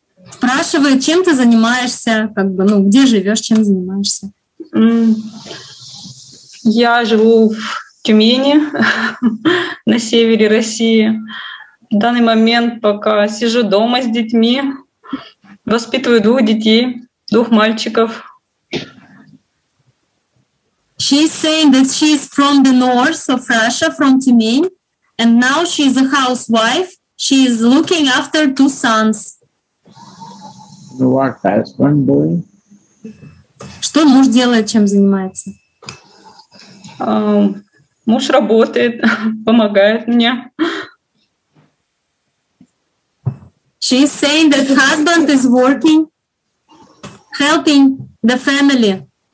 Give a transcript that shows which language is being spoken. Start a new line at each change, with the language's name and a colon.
Russian: Спрашивает, чем ты занимаешься, как бы, ну, где живешь, чем занимаешься? Я живу в Тюмени, на севере России. В данный момент пока сижу дома с детьми, воспитываю двух детей, двух мальчиков.
English: She's saying that she's from the north of Russia, from Tumen, and now she's a housewife. She is looking after two sons. What husband doing?
Russian: Что муж делает, чем занимается? Муж работает, помогает мне.
English: She's saying that husband is working, helping the family.